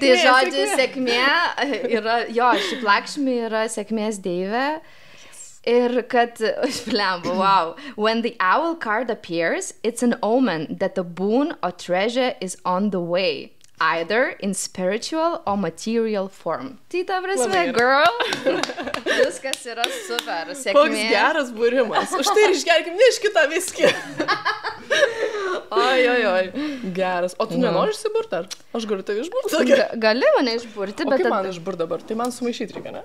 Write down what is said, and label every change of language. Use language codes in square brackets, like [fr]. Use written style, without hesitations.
[lt] tai žodžiu, sėkmė yra, jo, šiaip Lakshmi yra sėkmės deivė. Ir kad, užblembu, wow. [en] When the owl card appears, it's an omen that a boon or treasure is on the way, either in spiritual or material form. [lt] Tai ta prasme, girl, viskas yra super, sėkmė. Koks geras būrimas. Už tai ir išgerkim, ne iš kitą viskį. Oi, oi, oi. Geras. O tu nenori išsiburti ar? Aš galiu tave išburti. Gali mane išburti, bet... O kaip man išburti dabar? Tai man sumaišyti reikia, ne?